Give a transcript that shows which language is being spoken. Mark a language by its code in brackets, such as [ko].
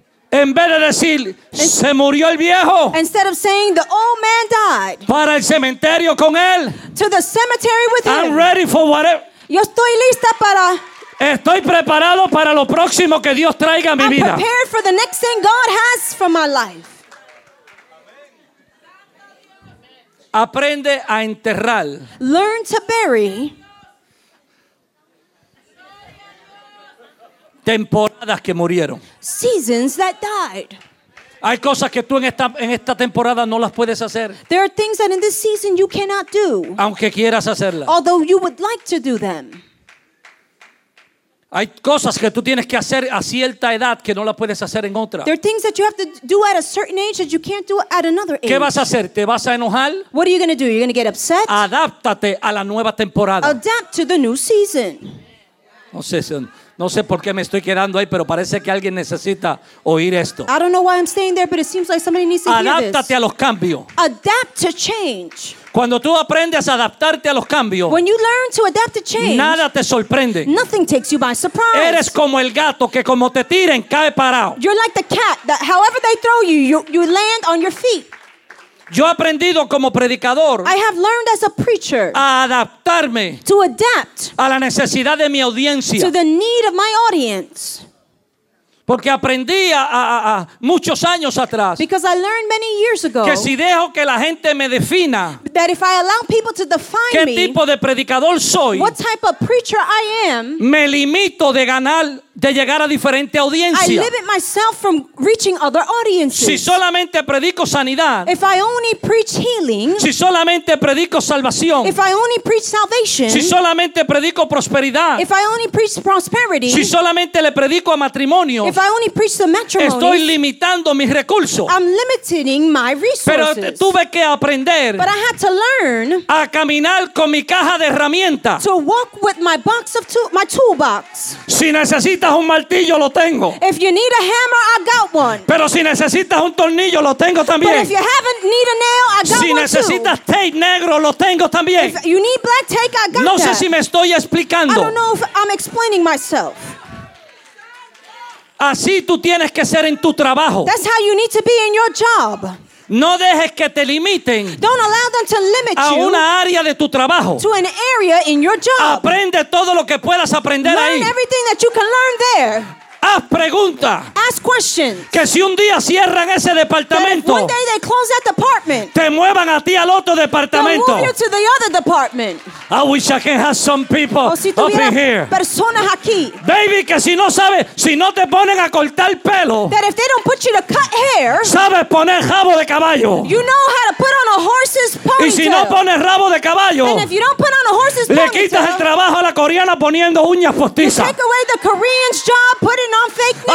[es] En vez de decir, se murió el viejo, [en] instead of saying the old man died, [es] para el cementerio con él, [en] to the cemetery with I'm him, ready for whatever. [es] Yo estoy lista para, estoy preparado para lo próximo que Dios traiga a mi [en] I'm [es] vida. [en] I'm prepared for the next thing God has for my life. [es] Aprende a enterrar. [en] Learn to bury. [es] Temporadas que murieron. [en] Seasons that died. [es] Hay cosas que tú en esta temporada no las puedes hacer. [en] There are things that in this season you cannot do. [es] Aunque quieras hacerlas. [en] Although you would like to do them. [es] Hay cosas que tú tienes que hacer a cierta edad que no las puedes hacer en otra. [en] There are things that you have to do at a certain age that you can't do at another age. [es] ¿Qué vas a hacer? ¿Te vas a enojar? [en] What are you going to do? You're going to get upset? [es] Adáptate a la nueva temporada. [en] Adapt to the new season. [es] No sé si... No sé por qué me estoy quedando ahí, pero parece que alguien necesita oír esto. [en] I don't know why I'm staying there, but it seems like somebody needs to hear this. [es] Adáptate a los cambios. [en] Adapt to change. [es] Cuando tú aprendes a adaptarte a los cambios, [en] when you learn to adapt to change, [es] nada te sorprende. [en] Nothing takes you by surprise. [es] Eres como el gato que como te tiren, cae parado. [en] You're like the cat that however they throw you, you land on your feet. [es] Yo he aprendido como predicador, [en] I have learned as a preacher, [es] a adaptarme, [en] to adapt, [es] a la necesidad de mi audiencia, [en] to the need of my audience. [es] Porque aprendí a muchos años atrás, [en] because I learned many years ago, [es] que si dejo que la gente me defina, [en] that if I allow people to define [es] qué tipo de predicador soy, [en] what type of preacher I am, [es] me limito de ganar, de llegar a diferente audiencia. [en] I limit myself from reaching other audiences. [es] Si solamente predico sanidad, [en] if I only preach healing, [es] si solamente predico salvación, [en] if I only preach salvation, [es] si solamente predico prosperidad, [en] if I only preach prosperity, [es] si solamente le predico a matrimonio, [en] if I only preach the matrimony, [es] estoy limitando mis recursos. [en] I'm limiting my resources. [es] Pero tuve que aprender, [en] but I had to learn, [es] a caminar con mi caja de herramientas, [en] to walk with my box of my toolbox. [es] Si necesito, si necesitas un martillo, lo tengo. [en] If you need a hammer, I got one. [es] Pero si necesitas un tornillo, lo tengo también. [en] But if you haven't need a nail, I got [es] si [en] one too. [es] Si necesitas tape negro, lo tengo también. [en] If you need black tape, I got [es] no [en] that. [es] No sé si me estoy explicando. [en] I don't know if I'm explaining myself. [es] Así tú tienes que ser en tu trabajo. [en] That's how you need to be in your job. [es] No dejes que te limiten, [en] don't allow them to limit [es] a una área de tu trabajo, [en] to an area in your job. [es] Aprende todo lo que puedas aprender [en] learn [es] ahí. [en] Learn everything that you can learn there. [es] Haz pregunta. [en] Ask questions. [es] Que si un día cierran ese departamento, [en] that if one day they close that department, [es] te muevan a ti al otro departamento. [en] They'll move you to the other department. I wish I can have some people up in here. [es] Personas aquí. Baby, que si no sabes, si no te ponen a cortar pelo, [en] that if they don't put you to cut hair, [es] sabes poner rabo de caballo. [en] You know how to put on a horse's ponytail. [es] Y si no pones rabo de caballo, [en] and if you don't put on a horse's ponytail, [es] le quitas el trabajo a la coreana poniendo uñas postizas. [en] You take away the Korean's job putting on fake nails.